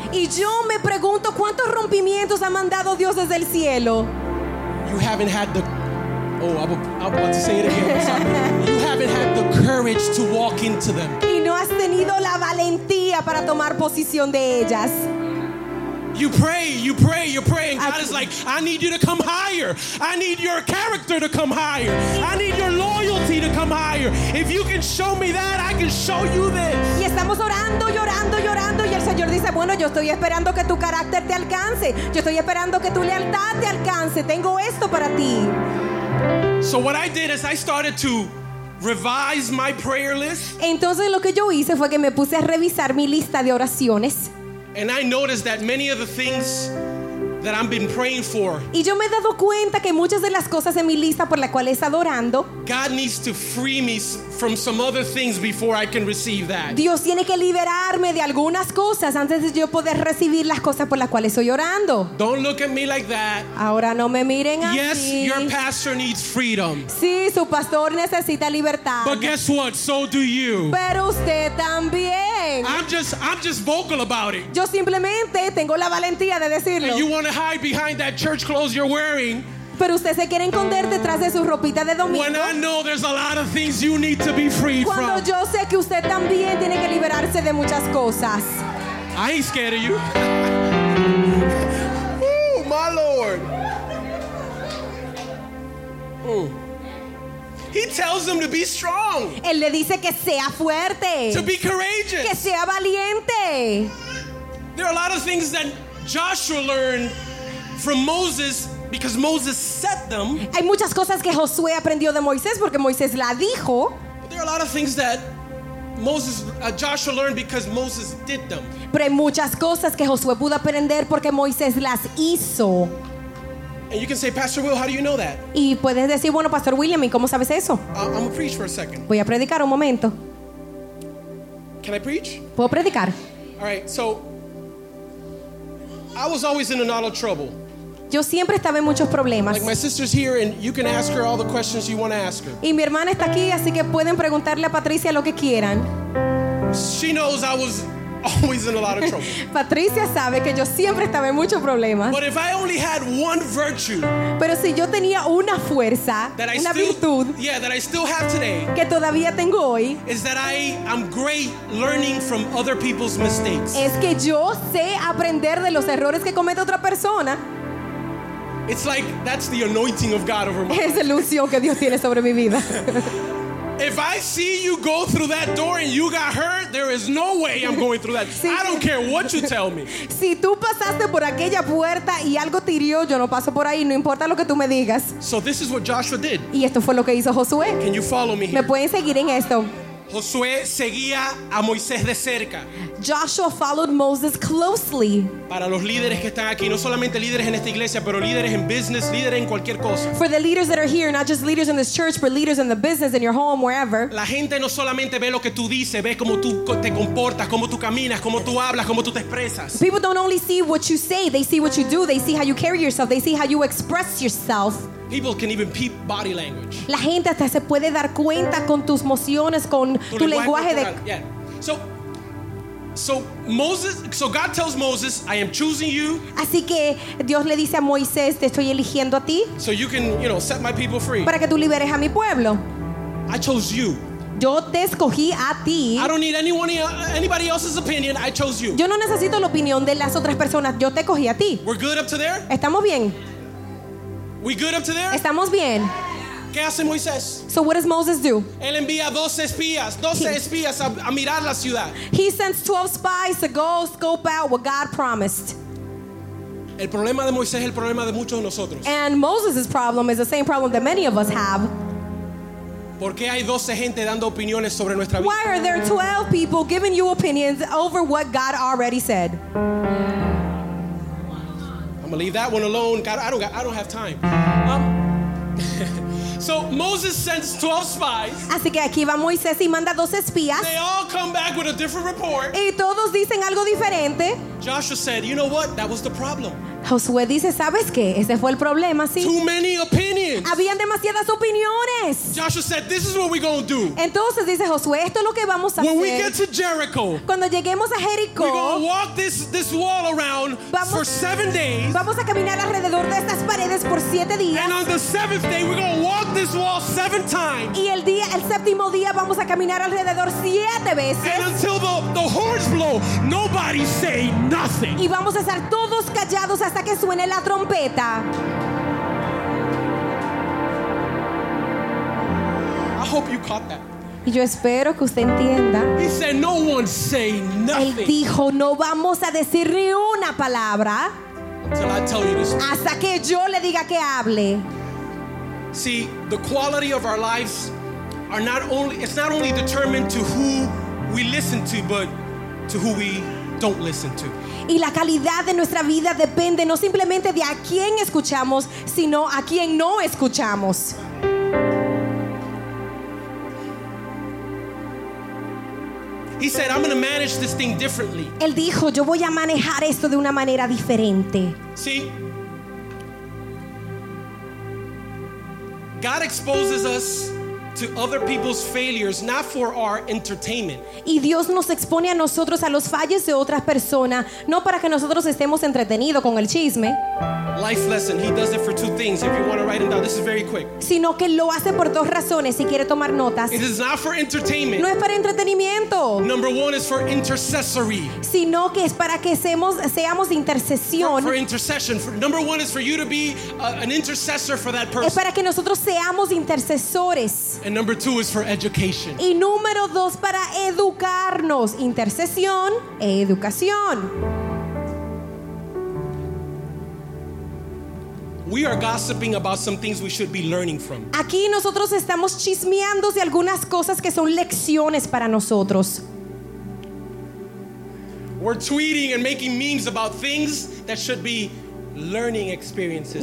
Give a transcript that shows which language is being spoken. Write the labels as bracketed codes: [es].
[es] Y yo me pregunto cuántos rompimientos ha mandado Dios desde el cielo. [en] You haven't had the I'm about to say it again. You haven't had the courage to walk into them. [es] Y no has tenido la valentía para tomar posición de ellas. [en] You pray, you pray, you pray, and God is like, I need you to come higher. I need your character to come higher. I need your loyalty to come higher. If you can show me that, I can show you this. [es] Y estamos orando, llorando, llorando, y el Señor dice, bueno, yo estoy esperando que tu carácter te alcance. Yo estoy esperando que tu lealtad te alcance. Tengo esto para ti. [en] So what I did is I started to revise my prayer list. [es] Entonces lo que yo hice fue que me puse a revisar mi lista de oraciones. [en] And I noticed that many of the things that I've been praying for. [es] Y yo me he dado cuenta que muchas de las cosas en mi lista por la cual he estado orando. [en] God needs to free me from some other things before I can receive that. [es] Dios tiene que liberarme de algunas cosas antes de yo poder recibir las cosas por las cuales estoy orando. [en] Don't look at me like that. [es] Ahora no me miren así. [en] Yes, your pastor needs freedom. [es] Sí, su pastor necesita libertad. [en] But guess what? So do you. [es] Pero usted también. [en] I'm just vocal about it. [es] Yo simplemente tengo la valentía de decirlo. [en] And you want to hide behind that church clothes you're wearing. [es] Pero usted se quiere esconder detrás de su ropita de domingo. [en] When I know there's a lot of things you need to be free from. [es] Cuando yo sé que usted también tiene que liberarse de muchas cosas. [en] I ain't scared of you. Ooh, my Lord. He tells them to be strong. [es] Él le dice que sea fuerte. [en] To be courageous. [es] Que sea valiente. [en] There are a lot of things that Joshua learned from Moses. Because Moses set them. [es] Hay muchas cosas que Josué aprendió de Moisés porque Moisés la dijo. [en] But there are a lot of things that Joshua learned because Moses did them. [es] Pero hay muchas cosas que Josué pudo aprender porque Moisés las hizo. [en] And you can say, Pastor Will, how do you know that? [es] Y puedes decir, bueno, Pastor William, ¿y cómo sabes eso? [en] I'm gonna preach for a second. [es] Voy a predicar un momento. [en] Can I preach? [es] Puedo predicar. [en] All right. So I was always in a lot of trouble. [es] yo siempre estaba en muchos problemas. [en] Like my sister's here and you can ask her all the questions you want to ask her. [es] Y mi hermana está aquí, así que pueden preguntarle a Patricia lo que quieran. [en] She knows I was always in a lot of trouble. [es] Patricia sabe que yo siempre estaba en muchos problemas. [en] But if I only had one virtue, [es] pero si yo tenía una fuerza, una virtud, [en] yeah, that I still have today, [es] que todavía tengo hoy, [en] is that I'm great learning from other people's mistakes. [es] Es que yo sé aprender de los errores que comete otra persona. [en] It's like that's the anointing of God over my life. [es] Es la unción que Dios tiene sobre mi vida. [en] If I see you go through that door and you got hurt, there is no way I'm going through that. Sí. I don't care what you tell me. [es] Si tú pasaste por aquella puerta y algo te hirió, yo no paso por ahí, no importa lo que tú me digas. [en] So this is what Joshua did. [es] Y esto fue lo que hizo Josué. [en] Can you follow me here? [es] ¿Me pueden seguir en esto? Josué seguía a Moisés de cerca. [en] Joshua followed Moses closely. [es] Para los líderes que están aquí, no solamente líderes en esta iglesia, pero líderes en business, líderes en cualquier cosa. [en] For the leaders that are here, not just leaders in this church, but leaders in the business, in your home, wherever. [es] La gente no solamente ve lo que tú dices, ve cómo tú te comportas, cómo tú caminas, cómo tú hablas, cómo tú te expresas. [en] People don't only see what you say, they see what you do, they see how you carry yourself, they see how you express yourself. People can even peep body language. [es] La gente hasta se puede dar cuenta con tus emociones, con tu lenguaje de. [en] Yeah. So God tells Moses, I am choosing you. [es] Así que Dios le dice a Moisés, te estoy eligiendo a ti. [en] So you can, you know, set my people free. [es] Para que tú liberes a mi pueblo. [en] I chose you. [es] Yo te escogí a ti. [en] I don't need anybody else's opinion. I chose you. [es] Yo no necesito la opinión de las otras personas. Yo te escogí a ti. [en] We're good up to there? [es] Estamos bien. [en] We good up to there? [es] Estamos bien. ¿Qué hace Moisés? [en] So what does Moses do? [es] Él envía 12 espías a mirar la ciudad. [en] He sends 12 spies to go scope out what God promised. [es] El problema de Moisés es el problema de muchos de nosotros. [en] And Moses' problem is the same problem that many of us have. [es] ¿Por qué hay 12 gente dando opiniones sobre nuestra vida? [en] Why are there 12 people giving you opinions over what God already said? Leave that one alone. God, I don't have time. So Moses sends 12 spies. [es] Así que aquí va Moisés y manda 12 espías. [en] They all come back with a different report. [es] Y todos dicen algo diferente. [en] Joshua said, you know what? That was the problem. [es] Josué dice, ¿sabes qué? Ese fue el problema, sí. [en] Too many opinions. [es] Habían demasiadas opiniones. [en] Joshua said, this is what we're going to do. [es] Entonces dice Josué, esto es lo que vamos a [en] when When we get to Jericho. [es] Cuando lleguemos a Jericó. [en] We're going to walk this wall around for 7 days. [es] Vamos a caminar alrededor de estas paredes por 7 días. [en] And on the seventh day, we're going to walk this wall 7 times. [es] Y el séptimo día vamos a caminar alrededor 7 veces. [en] And until the horns blow, nobody say nothing. [es] Y vamos a estar todos callados hasta que suene la trompeta. [en] I hope you caught that. [es] Y yo espero que usted entienda. [en] He said, no one say nothing. [es] Él dijo, no vamos a decir ni una palabra. [en] Until I tell you this. [es] Hasta que yo le diga que hable. [en] See, the quality of our lives are not only, it's not only determined to who we listen to, but to who we don't listen to. [es] Y la calidad de nuestra vida depende no simplemente de a quién escuchamos, sino a quién no escuchamos. [en] He said, I'm going to manage this thing differently. [es] Él dijo, yo voy a manejar esto de una manera diferente. [en] See? God exposes us to other people's failures, not for our entertainment. [es] Y Dios nos expone a nosotros a los fallos de otras personas, no para que nosotros estemos entretenidos con el chisme. [en] Life lesson. He does it for two things. If you want to write it down, this is very quick. [es] Sino que lo hace por dos razones. Si quiere tomar notas. [en] It is not for entertainment. [es] No es para entretenimiento. [en] Number one is for intercessory. [es] Sino que es para que seamos de intercesión. [en] For intercession. Number one is for you to be an intercessor for that person. [es] Es para que nosotros seamos intercesores. [en] And number two is for education. [es] Y número dos para educarnos. Intercesión, educación. [en] We are gossiping about some things we should be learning from. [es] Aquí nosotros estamos chismeando de algunas cosas que son lecciones para nosotros. [en] We're tweeting and making memes about things that should be learning experiences.